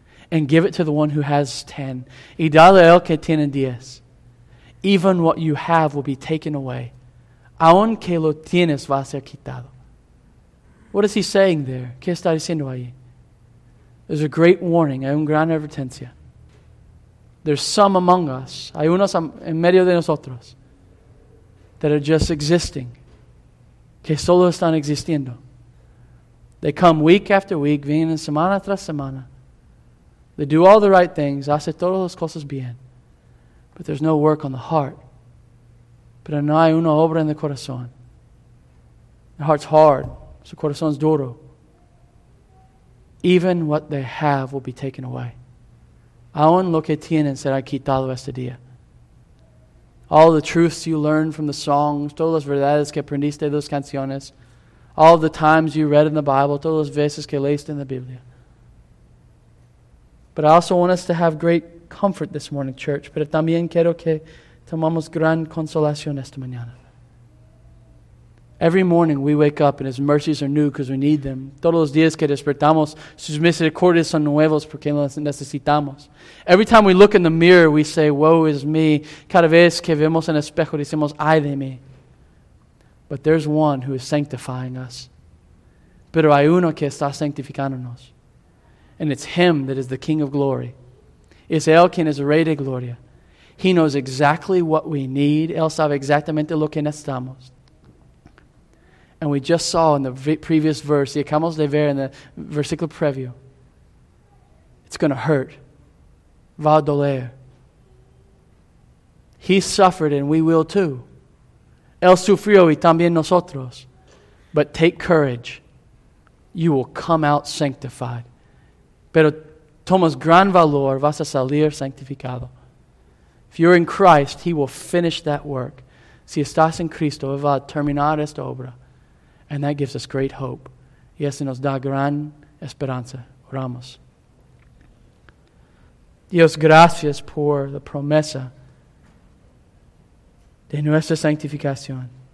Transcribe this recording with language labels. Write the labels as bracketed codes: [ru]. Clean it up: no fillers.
[en] And give it to the one who has 10. [es] Y dale el que tiene 10. [en] Even what you have will be taken away. [es] Aun que lo tienes va a ser quitado. [en] What is he saying there? [es] ¿Qué está diciendo ahí? [en] There's a great warning. [es] Hay una gran advertencia. [en] There's some among us. [es] Hay unos en medio de nosotros. [en] That are just existing. [es] Que solo están existiendo. [en] They come week after week. [es] Vienen semana tras semana. [en] They do all the right things. [es] Hace todas las cosas bien. [en] But there's no work on the heart. [es] Pero no hay una obra en el corazón. [en] The heart's hard. [es] Su corazón's duro. [en] Even what they have will be taken away. [es] Aún lo que tienen será quitado este día. [en] All the truths you learned from the songs, [es] todas las verdades que aprendiste de las canciones, [en] all the times you read in the Bible, [es] todas las veces que leíste en la Biblia. [en] But I also want us to have great comfort this morning, church. [es] Pero también quiero que tomamos gran consolación esta mañana. [en] Every morning we wake up and His mercies are new because we need them. [es] Todos los días que despertamos, sus misericordias son nuevos porque las necesitamos. [en] Every time we look in the mirror, we say, woe is me. [es] Cada vez que vemos en el espejo, decimos, ay de mí. [en] But there's one who is sanctifying us. [es] Pero hay uno que está sanctificándonos. [en] And it's Him that is the King of Glory. [es] Es Él quien es Rey de Gloria. [en] He knows exactly what we need. [es] Él sabe exactamente lo que necesitamos. [en] And we just saw in the previous verse, [es] y acabamos de ver en el versículo previo, [en] it's going to hurt. [es] Va a doler. [en] He suffered and we will too. [es] Él sufrió y también nosotros. [en] But take courage. You will come out sanctified. [es] Pero tomas gran valor, vas a salir sanctificado. [en] If you're in Christ, He will finish that work. [es] Si estás en Cristo, va a terminar esta obra. [en] And that gives us great hope. [es] Y eso nos da gran esperanza. Oramos. Dios, gracias por la promesa de nuestra santificación.